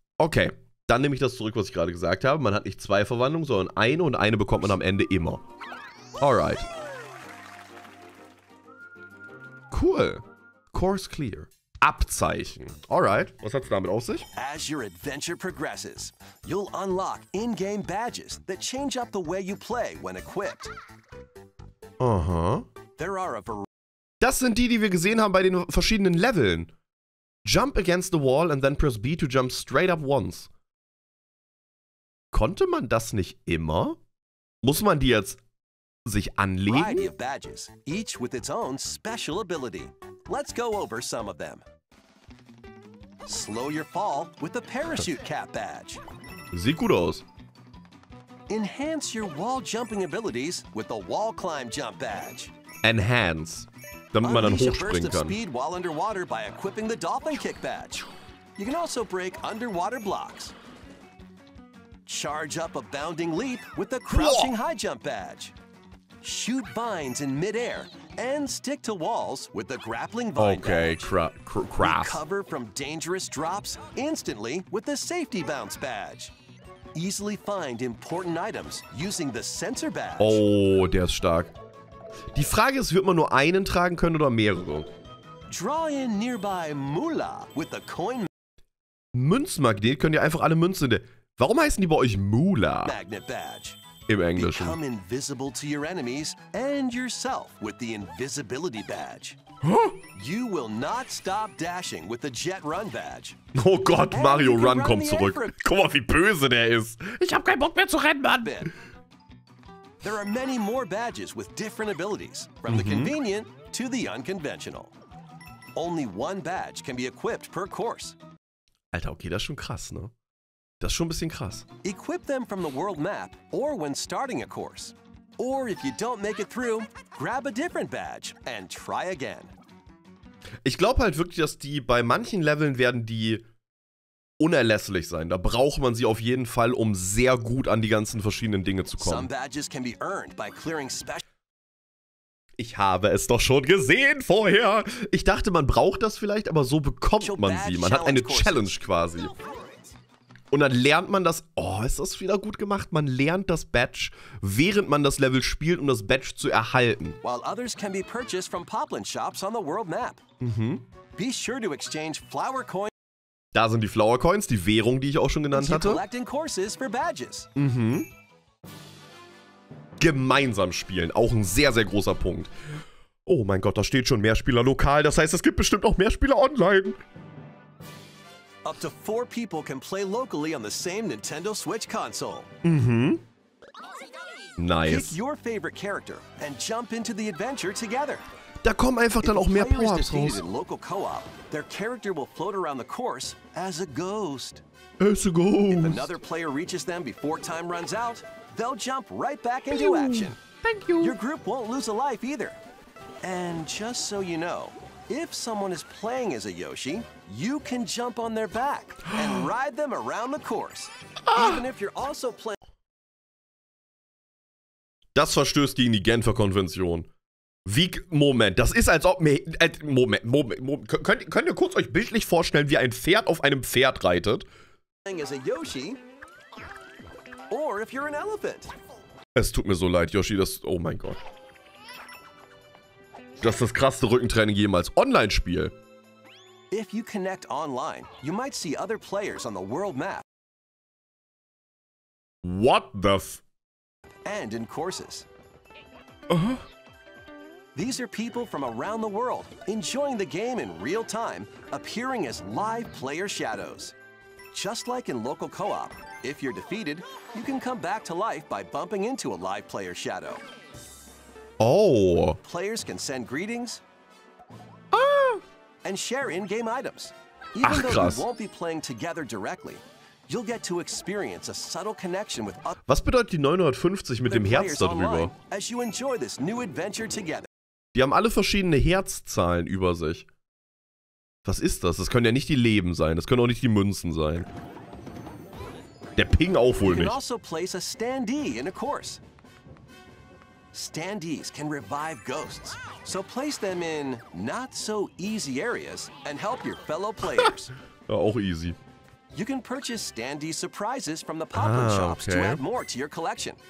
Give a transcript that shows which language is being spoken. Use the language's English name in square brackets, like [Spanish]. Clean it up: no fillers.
[German] Okay, dann nehme ich das zurück, was ich gerade gesagt habe. Man hat nicht zwei Verwandlungen, sondern eine, und eine bekommt man am Ende immer. [English] Alright. Cool. Course clear. [German] Abzeichen. [English] Alright. [German] Was hat's damit auf sich? [English] As your adventure progresses, you'll unlock in-game badges that change up the way you play when equipped. Uh-huh. There are a [German] Da das sind die, die wir gesehen haben bei den verschiedenen Leveln. [English] Jump against the wall and then press B to jump straight up once. [German] Konnte man das nicht immer? Muss man die jetzt sich anlegen? [English] Variety of badges, each with its own special ability. Let's go over some of them. Slow your fall with the parachute cap badge. [German] Sieht gut aus. [English] Enhance your wall jumping abilities with the wall climb jump badge. [German] Enhance, damit man dann hochspringen kann. [English] Unleash a burst of speed while underwater by equipping the dolphin kick badge. You can also break underwater blocks. Charge up a bounding leap with the crouching high jump badge. Shoot vines in midair and stick to walls with the grappling vine. Okay, crap. Recover from dangerous drops instantly with the safety bounce badge. Easily find important items using the sensor badge. [German] Oh, der ist stark. Die Frage ist, wird man nur einen tragen können oder mehrere? [English] Draw in nearby Mula with the coin. [German] Münzmagnet, könnt ihr einfach alle Münzen. Warum heißen die bei euch Mula? [English] Magnet badge. [German] Im Englischen. [English] Become invisible to your enemies and yourself with the invisibility badge. Huh? You will not stop dashing with the jet run badge. [German] Oh Gott, Mario Run kommt zurück. Guck mal, wie böse der ist. Ich hab keinen Bock mehr zu rennen, Mann. [English] There are many more badges with different abilities, from the convenient to the unconventional. Only one badge can be equipped per course. [German] Alter, okay, das ist schon krass, ne? Das ist schon ein bisschen krass. [English] Equip them from the world map or when starting a course. Or if you don't make it through, grab a different badge and try again. [German] Ich glaube halt wirklich, dass die bei manchen Leveln werden die unerlässlich sein. Da braucht man sie auf jeden Fall, um sehr gut an die ganzen verschiedenen Dinge zu kommen. [English] Some badges can be earned by clearing special. [German] Ich habe es doch schon gesehen vorher. Ich dachte, man braucht das vielleicht, aber so bekommt man sie. Man hat eine Challenge quasi. Und dann lernt man das, oh, ist das wieder gut gemacht, man lernt das Badge, während man das Level spielt, um das Badge zu erhalten. [English] While others can be purchased from Poplin shops on the world map. Mhm. Be sure to exchange flower coins. [German] Da sind die Flower Coins, die Währung, die ich auch schon genannt hatte. [English] Collecting courses for badges. Mhm. [German] Gemeinsam spielen, auch ein sehr, sehr großer Punkt. Oh mein Gott, da steht schon mehr Spieler lokal, das heißt, es gibt bestimmt auch mehr Spieler online. [English] Up to 4 people can play locally on the same Nintendo Switch console. Mhm. Nice. Pick your favorite character and jump into the adventure together. [German] Da kommen einfach dann auch mehr Power-Ups raus. [English] In local co-op, their character will float around the course as a ghost. As a ghost. If another player reaches them before time runs out, they'll jump right back into action. Thank you. Your group won't lose a life either. And just so you know, if someone is playing as a Yoshi, you can jump on their back and ride them around the course. Even if you're also playing. [German] Das verstößt gegen die Genfer Konvention. Wie, Moment, das ist als ob mir, Moment. Könnt ihr kurz euch bildlich vorstellen, wie ein Pferd auf einem Pferd reitet? [English] As a Yoshi, or if you're an elephant. [German] Es tut mir so leid, Yoshi, das, oh mein Gott. Das ist das krasseste Rückentraining jemals. Online-Spiel. [English] If you connect online, you might see other players on the world map. What the f- And in courses. Uh-huh. These are people from around the world, enjoying the game in real time, appearing as live player shadows. Just like in local co-op, if you're defeated, you can come back to life by bumping into a live player shadow. Oh. Players can send greetings. Ah. And share in-game items. Even [German] Ach, [English] though [German] krass. [English] You won't be playing together directly, you'll get to experience a subtle connection with other. [German] Was bedeutet die 950 mit dem Herz darüber? [English] As you enjoy this new adventure together. [German] Die haben alle verschiedene Herzzahlen über sich. Was ist das? Das können ja nicht die Leben sein. Das können auch nicht die Münzen sein. Der Ping auch wohl [English] you [German] nicht. [English] You can also place a standee in a course. Standees can revive ghosts, so place them in not so easy areas and help your fellow players. [German] Auch easy. [English] You can purchase standee surprises from the Poplin shops to add more to your collection.